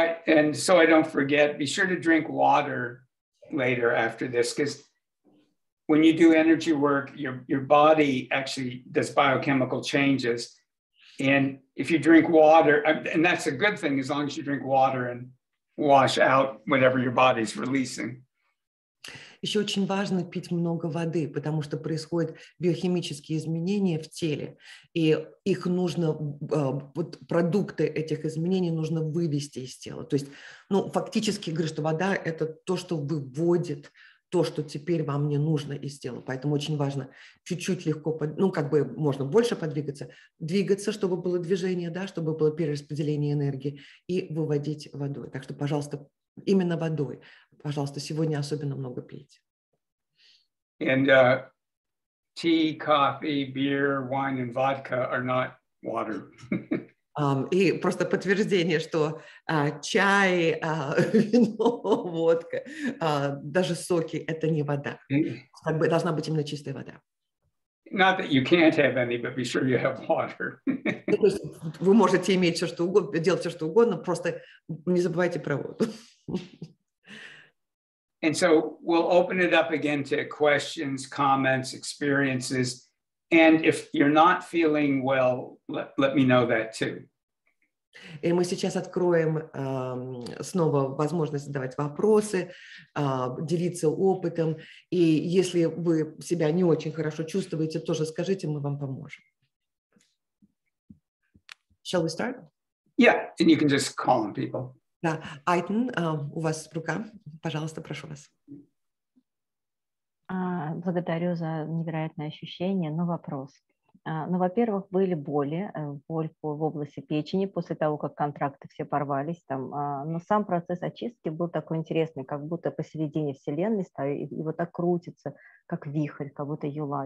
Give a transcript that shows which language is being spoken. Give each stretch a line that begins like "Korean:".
English: And so I don't forget, be sure to drink water later after this, because when you do energy work, your body actually does biochemical changes. And if you drink water, and that's a good thing, as long as you drink water and wash out whatever your body's releasing.
Russian: Еще очень важно пить много воды, потому что происходят биохимические изменения в теле, и их нужно, вот продукты этих изменений нужно вывести из тела. То есть, ну, фактически, говорю, что вода – это то, что выводит то, что теперь вам не нужно из тела. Поэтому очень важно чуть-чуть легко, ну, как бы можно больше подвигаться, двигаться, чтобы было движение, да, чтобы было перераспределение энергии, и выводить водой. Так что, пожалуйста, именно водой. Пожалуйста, сегодня особенно много пейте.
English: And tea, coffee, beer, wine and vodka are not water.
Russian: И просто подтверждение, что чай, вино, водка, даже соки – это не вода. Как бы должна быть именно чистая вода.
English: Not that you can't have any, but be sure you have water.
Russian: Вы можете иметь все, что угодно, делать все, что угодно, просто не забывайте про воду.
English: And so we'll open it up again to questions, comments, experiences. And if you're not feeling well, let me know that too.
Russian: И мы сейчас откроем снова возможность задавать вопросы, делиться опытом. И если вы себя не очень хорошо чувствуете, тоже скажите, мы вам поможем.
English: Shall we start? Yeah, and you can just call on people.
Russian: Да, Айтон, у вас рука. Пожалуйста, прошу вас. Благодарю за невероятное ощущение, но вопрос. Ну, во-первых, были боль в области печени после того, как контракты все порвались там. Но сам процесс очистки был такой интересный, как будто посередине Вселенной стоит и вот так крутится, как вихрь, как будто юла.